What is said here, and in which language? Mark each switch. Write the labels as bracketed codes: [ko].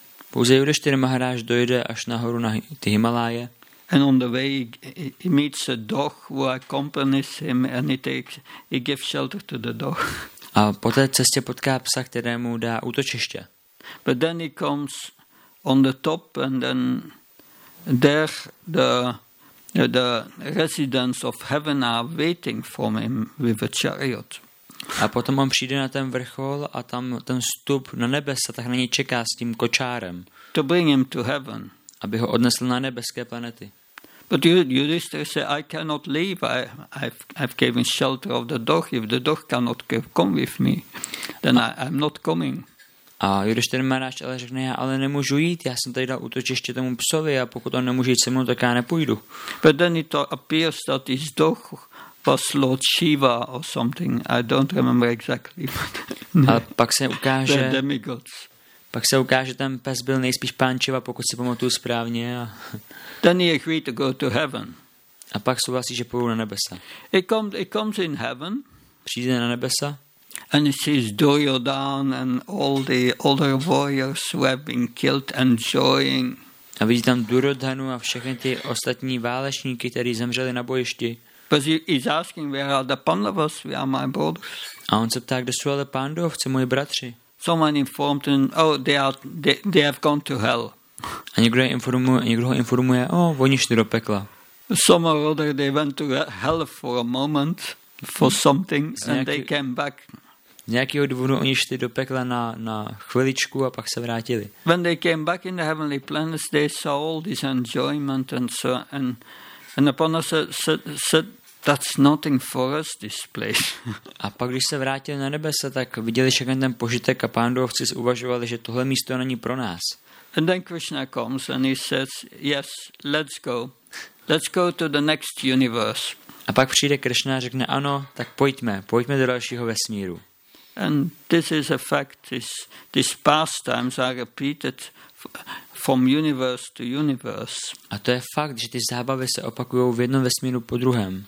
[cs] Pouze Yudhisthira Maharaj dojde až nahoru na ty Himalaje. [en] And on the way he meets a dog who accompanies him and he gives shelter to the dog. [cs] A po té cestě potká psa, kterému dá útočiště. [en] But then he comes on the top and then there the residents of heaven are waiting for him with a chariot. [cs] A potom on přijde na ten vrchol a tam ten stup na nebesa tak na něj čeká s tím kočárem. [en] To bring him to heaven. [cs] Aby ho odnesl na nebeské planety. [en] But Yudhisthira said, "I cannot leave. I've given shelter of the dog. If the dog cannot come with me, then I'm not coming." [cs] A Yudhisthira Maharaj ale řekne, ale nemůžu jít. Já jsem tady dal útočiště tomu psovi a pokud on nemůže jít se mnou, tak já nepůjdu. [en] But then it appears that his dog was Lord Shiva or something. I don't remember exactly. [cs] A pak se ukáže. [en] The demigods. [cs] Pak se ukáže, ten pes byl nejspíš pán Čiva, pokud si pamatuju správně. A [en] then he agreed to go to heaven. [cs] A pak souhlasí, že půjdu na nebesa. [en] He comes in heaven. [cs] Přijde na nebesa. [en] And he sees Duryodhan and all the other warriors who have been killed enjoying. [cs] A vidí tam Duryodhanu a všechny ty ostatní válečníky, kteří zemřeli na bojišti. [en] But he's asking, where are the Pandavas? We are my brothers. [cs] A on se ptá, kde jsou ale pánduovci, moji bratři. [en] Someone informed him, they have gone to hell. [cs] A někdo ho informuje, oni šli do pekla. [en] Some or other they went to hell for a moment, for something, and they came back. [cs] Nějakého důvodu oni šli do pekla na chviličku a pak se vrátili. [en] When they came back in the heavenly planets, they saw all this enjoyment and so and upon us said, that's nothing for us, this place. [cs] A pak, když se vrátili na nebesa, tak viděli všechny ten požitek a pánduovci uvažovali, že tohle místo není pro nás. [en] And then Krishna comes and he says, yes, let's go. Let's go to the next universe. [cs] A pak přijde Krishna a řekne, ano, tak pojďme do dalšího vesmíru. [en] And this is a fact, these pastimes are repeated from universe to universe. [cs] A to je fakt, že ty zábavy se opakujou v jednom vesmíru po druhém.